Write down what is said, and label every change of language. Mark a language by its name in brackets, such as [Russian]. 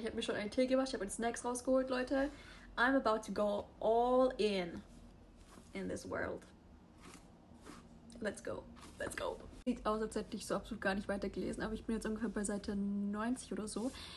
[German] Ich habe mir schon einen Tee gemacht. Ich habe einen Snacks rausgeholt, Leute. [English] I'm about to go all in this world. Let's go. [German] Sieht aus, als hätte ich so absolut gar nicht weitergelesen, aber ich bin jetzt ungefähr bei Seite 90 oder so.